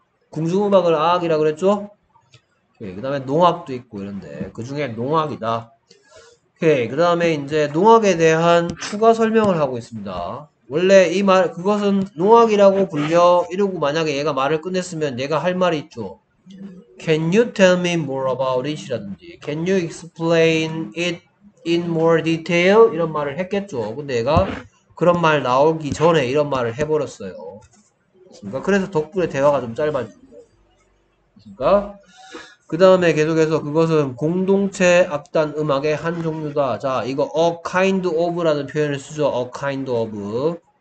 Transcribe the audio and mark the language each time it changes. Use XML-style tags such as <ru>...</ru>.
<ko>궁중 음악을 아악이라 그랬죠? 그 다음에 농악도 있고 이런데 그 중에 농악이다. 오케이. 그 다음에 이제 농악에 대한 추가 설명을 하고 있습니다. 원래 이 말, 그것은 농악이라고 불려, 이러고 만약에 얘가 말을 끝냈으면 얘가 할 말이 있죠.</ko> <en>Can you tell me more about it이라든지, Can you explain it in more detail?</en> <ko>이런 말을 했겠죠. 근데 얘가 그런 말 나오기 전에 이런 말을 해버렸어요. 그래서 덕분에 대화가 좀 짧아진 거예요. 그 다음에 계속해서 그것은 공동체 악단 음악의 한 종류다. 자, 이거 a kind of라는 표현을 쓰죠. a kind of.</ko>